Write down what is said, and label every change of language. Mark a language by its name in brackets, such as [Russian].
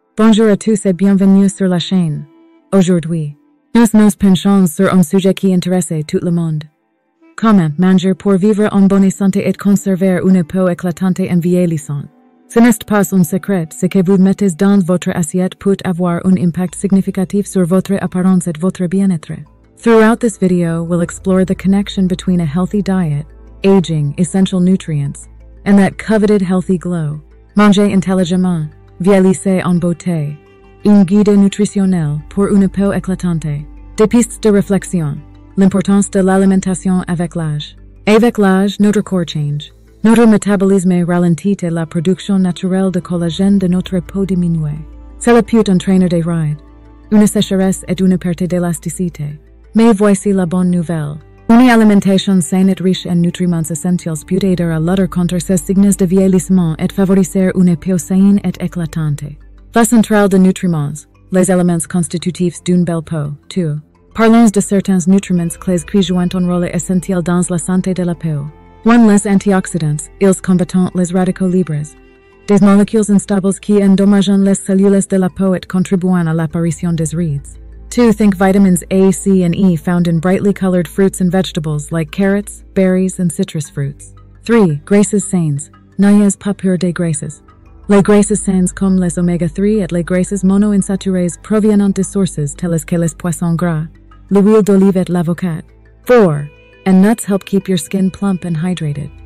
[French] Bonjour à tous et bienvenue sur la chaîne. Aujourd'hui, nous penchons sur un sujet qui intéresse tout le monde. Comment manger pour vivre en bonne santé et conserver une peau éclatante en vieillissant? Ce n'est pas un secret, ce que vous mettez dans votre assiette peut avoir un impact significatif sur votre apparence et votre bien-être. [English] Throughout this video, we'll explore the connection between a healthy diet, aging, essential nutrients, and that coveted healthy glow. [French] Mangez intelligemment, vieillissez en beauté, un guide nutritionnel pour une peau éclatante. Des pistes de réflexion, l'importance de l'alimentation avec l'âge. Avec l'âge, notre corps change. Notre métabolisme ralentit et la production naturelle de collagène de notre peau diminue. Cela peut entraîner des rides, une sécheresse et une perte d'élasticité. Mais voici la bonne nouvelle. Une alimentation saine et riche en nutriments essentiels peut aider à lutter contre ces signes de vieillissement et favoriser une peau saine et éclatante. La centrale de nutriments, les éléments constitutifs d'une belle peau, too. Parlons de certains nutriments clés qui jouent un rôle essentiel dans la santé de la peau. 1. Les antioxydants, ils combattent les radicaux libres. Des molécules instables qui endommagent les cellules de la peau et contribuent à l'apparition des rides. 2. [English] Think vitamins A, C, and E found in brightly colored fruits and vegetables like carrots, berries, and citrus fruits. [French] 3. Graisses saines. N'ayez pas peur des graisses. Les graisses saines comme les omega-3 et les graisses monoinsaturées proviennent de sources telles que les poissons gras, l'huile d'olive et l'avocat. 4. [English] And nuts help keep your skin plump and hydrated.